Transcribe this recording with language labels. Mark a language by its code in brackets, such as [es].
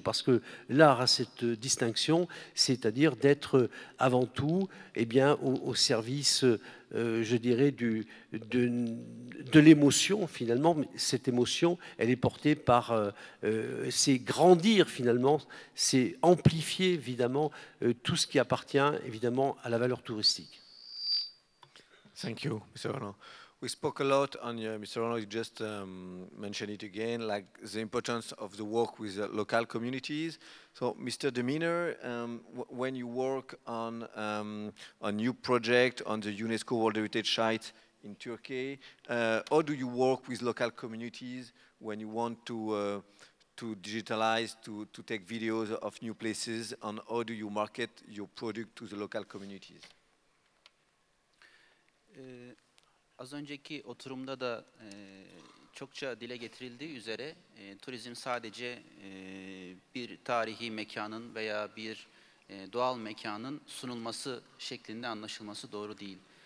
[fr] Parce que l'art a cette distinction, c'est-à-dire d'être avant tout, eh bien, au service, je dirais, de l'émotion, finalement. Cette émotion, elle est portée par... c'est grandir, finalement, c'est amplifier, évidemment, tout ce qui appartient, évidemment, à la valeur touristique. [en] Thank you, Mr. Arnaud. We spoke a lot, and Mr. Arnaud just mentioned it again, like the importance of the work with the local communities. So, Mr. Demeanor, when you work on a new project on the UNESCO World Heritage Site in Turkey, how do you work with local communities when you want to digitalize, to take videos of new places, and how do you market your product to the local communities? [tr] Az önceki oturumda da çokça dile getirildiği üzere turizm sadece bir tarihi mekanın veya bir doğal mekanın sunulması şeklinde anlaşılması doğru değil.